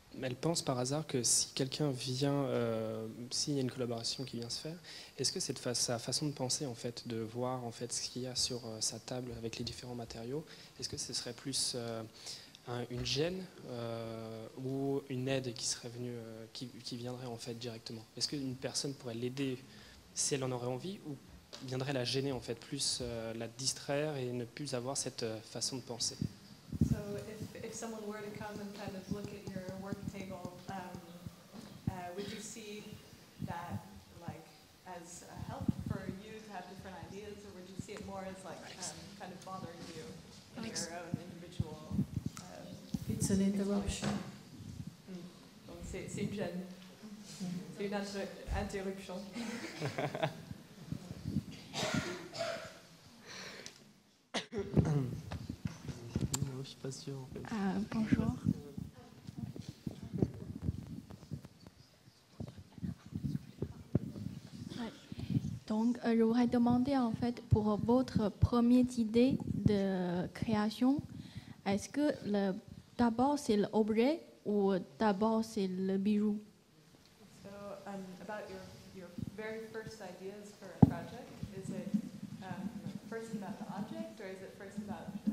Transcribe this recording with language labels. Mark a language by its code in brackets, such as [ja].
[fr] Elle pense par hasard que si quelqu'un vient, s'il y a une collaboration qui vient se faire, est-ce que c'est sa façon de penser, en fait, de voir en fait, ce qu'il y a sur sa table avec les différents matériaux, est-ce que ce serait plus une gêne ou une aide qui serait venue, qui viendrait en fait directement? Est-ce qu'une personne pourrait l'aider si elle en aurait envie, ou viendrait la gêner en fait, plus la distraire et ne plus avoir cette façon de penser? [en] So if someone were to come and kind of look at your work table, would you see that like as a help for you to have different ideas, or would you see it more as like kind of bothering you in Alex. Your own individual? It's an interruption. [fr] Donc c'est une gêne. C'est une interruption. Je suis pas sûr, en fait. Bonjour. Donc, je voudrais demander en fait pour votre première idée de création, est-ce que d'abord c'est l'objet ou d'abord c'est le bijou? [en] So, about your very first ideas for a project, is it first about the object or is it first about